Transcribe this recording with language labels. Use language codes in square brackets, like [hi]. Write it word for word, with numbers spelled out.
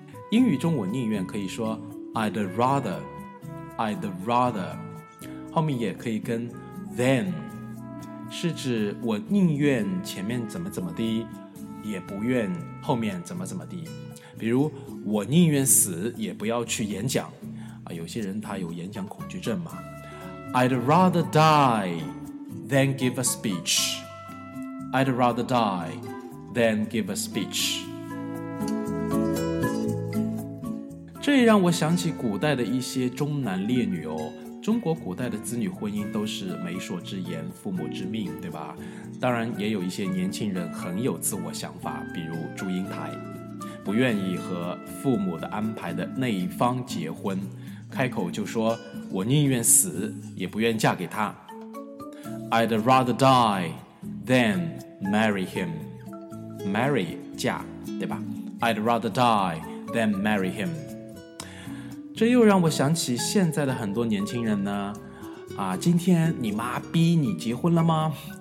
[zh] 英语中我宁愿可以说 [en] I'd rather， I'd rather， [zh] 后面也可以跟 [en] than， [zh] 是指我宁愿前面怎么怎么的，也不愿后面怎么怎么的。比如我宁愿死也不要去演讲啊，有些人他有演讲恐惧症嘛。 [en] I'd rather die than give a speech， I'd rather die than give a speech。 [zh] 这也让我想起古代的一些中男烈女哦。中国古代的子女婚姻都是媒妁之言，父母之命，对吧？当然也有一些年轻人很有自我想法，比如祝英台，不愿意和父母的安排的那一方结婚，开口就说我宁愿死也不愿嫁给他。 [en] I'd rather die than marry him， marry [zh] 嫁，对吧？ [en] I'd rather die than marry him。 [zh] 这又让我想起现在的很多年轻人呢，啊，今天你妈逼你结婚了吗？